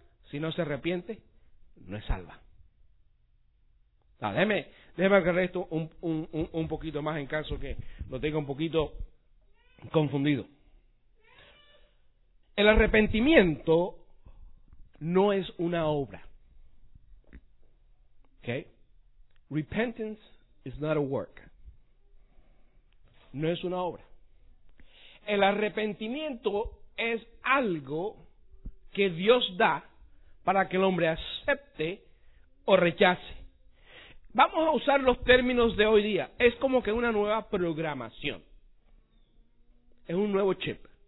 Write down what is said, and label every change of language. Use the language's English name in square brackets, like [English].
[Spanish] Si no se arrepiente, no es salva. Ah, déjeme agarrar esto un poquito más, en caso que lo tenga un poquito confundido. El arrepentimiento no es una obra. ¿Okay? [English] Repentance is not a work. [Spanish] No es una obra. El arrepentimiento es algo que Dios da para que el hombre acepte o rechace. Vamos a usar los términos de hoy día. Es como que una nueva programación. Es un nuevo chip.